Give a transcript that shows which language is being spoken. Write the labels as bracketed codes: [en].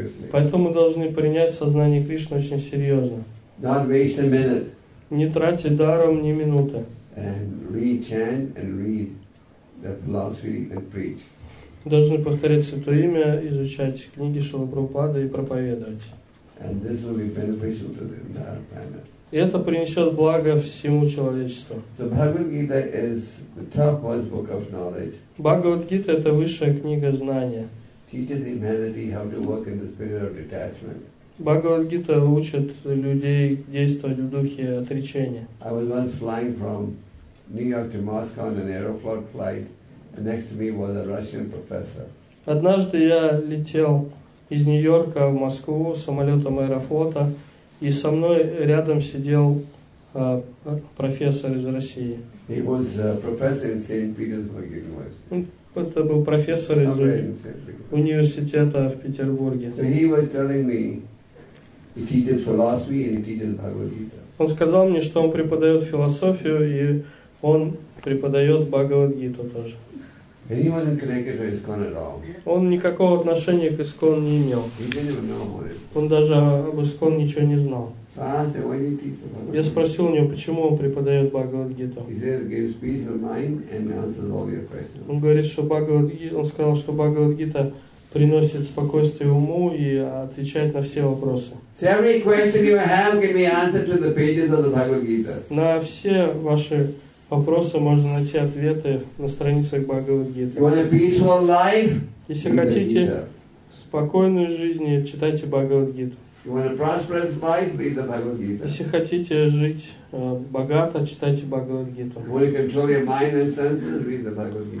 [ru] Поэтому мы должны принять сознание Кришны очень серьезно. [en] Not waste a minute. [ru] Не тратьте даром ни минуты. [en] And read, chant, and read the philosophy and preach. [ru] Должны повторять Святое Имя, изучать книги Шрилы Прабхупады и проповедовать. [en] And this will be beneficial to the entire planet. [ru] И это принесет благо всему человечеству. [en] So Bhagavad Gita is the topmost book of knowledge. [ru] Bhagavad Gita – это высшая книга знания. [en] Teaches humanity how to work in the spirit of detachment. [ru] Bhagavad Gita учит людей действовать в духе отречения. [en] I was once flying from New York to Moscow on an Aeroflot flight, and next to me was a Russian professor. [ru] Однажды я летел из Нью-Йорка в Москву самолетом Аэрофлота. И со мной рядом сидел профессор из России. [en] He was a professor in St. Petersburg University. [ru] Это был профессор из университета в Петербурге. [en] So he was telling me he teaches philosophy and he teaches Bhagavad Gita. [ru] Он сказал мне, что он преподает философию и он преподает Бхагавад Гиту тоже. [en] And he wasn't connected to ISKCON at all. [ru] Он никакого отношения к ISKCON не имел. [en] He didn't even know about it. [ru] Он даже об ISKCON ничего не знал. [en] So I asked him, why do you teach Bhagavad Gita? [ru] Я спросил у него, почему он преподает Бхагавад Гиту. [en] He said it gives peace of mind and answers all your questions. [ru] Он говорит, что он сказал, что Бхагавад Гита приносит спокойствие уму и отвечает на все вопросы. [en] So every question you have can be answered to the pages of the Bhagavad Gita. [ru] На все ваши вопросы можно найти ответы на страницах Бхагавад Гиты. [en] You want a peaceful life? [ru] Если хотите спокойную жизнь, читайте Бхагавад Гиту. Если хотите жить богато, читайте Бхагавад-гиту.